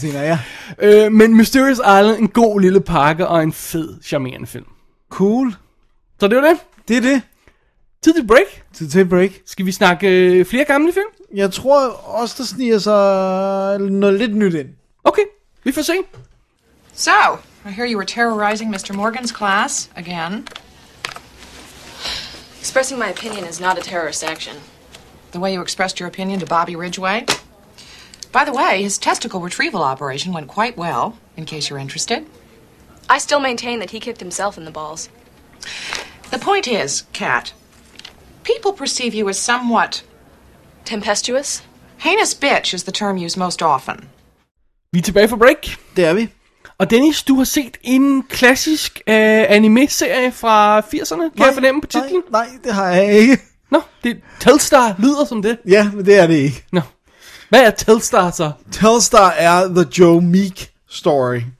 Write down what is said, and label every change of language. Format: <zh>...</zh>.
<da>senere, ja. Men Mysterious Island, en god lille pakke og en fed, charmerende film. Cool. Så det var det. Det er det. Tid til break. Tid til break. Skal vi snakke flere gamle film? Jeg tror også, der sniger sig noget lidt nyt ind. Okay, vi får se.</da> <en>So, I hear you were terrorizing Mr. Morgan's class again. Expressing my opinion is not a terrorist action. The way you expressed your opinion to Bobby Ridgway. By the way, his testicle retrieval operation went quite well, in case you're interested. I still maintain that he kicked himself in the balls. The point is, Kat, people perceive you as somewhat... tempestuous? Heinous bitch is the term used most often.</en> <da>Vi er tilbage for break. Det er vi. Og Dennis, du har set en klassisk anime-serie fra 80'erne, kan jeg fornemme på titlen? Nej, det har jeg ikke. Nå, det er Telstar, lyder som det. Ja, men det er det ikke. Nå. Hvad er Telstar så? Telstar er The Joe Meek Story.</da>